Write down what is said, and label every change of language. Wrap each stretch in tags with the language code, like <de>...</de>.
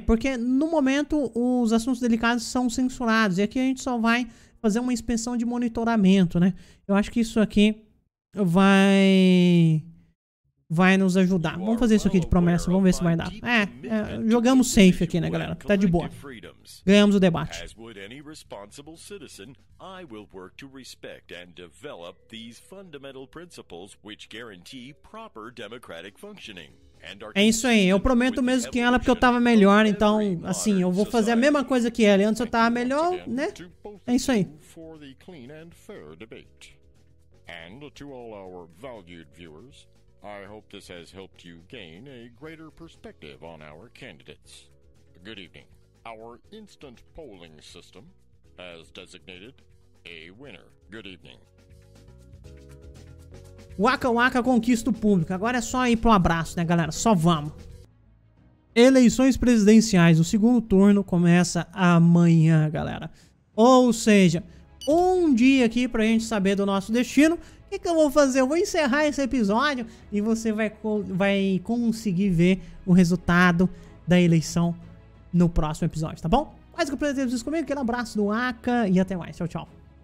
<pt>Porque no momento os assuntos delicados são censurados e aqui a gente só vai fazer uma inspeção de monitoramento, né? Eu acho que isso aqui vai nos ajudar. Vamos fazer isso aqui de promessa, vamos ver se vai dar. Jogamos safe aqui, né, galera? Tá de boa. Ganhamos o debate.</pt> <en>As would any responsible citizen, I will work to respect and develop these fundamental principles which guarantee proper democratic functioning.</en> <pt>É isso aí, eu prometo mesmo que ela, porque eu tava melhor, então, assim, eu vou fazer a mesma coisa que ela, antes eu tava melhor, né? É isso aí.</pt> <en>For the clean and fair debate. And to all our valued viewers, I hope this has helped you gain a greater perspective on our candidates. Good evening. Our instant polling system has designated a winner. Good evening.</en> <pt>Waka Waka conquista o público. Agora é só ir pro abraço, né, galera? Só vamos. Eleições presidenciais. O segundo turno começa amanhã, galera. Ou seja, um dia aqui pra gente saber do nosso destino. O que que eu vou fazer? Eu vou encerrar esse episódio e você vai conseguir ver o resultado da eleição no próximo episódio, tá bom? Mais um prazer ter vocês comigo. Aquele abraço do Waka e até mais. Tchau, tchau.</pt>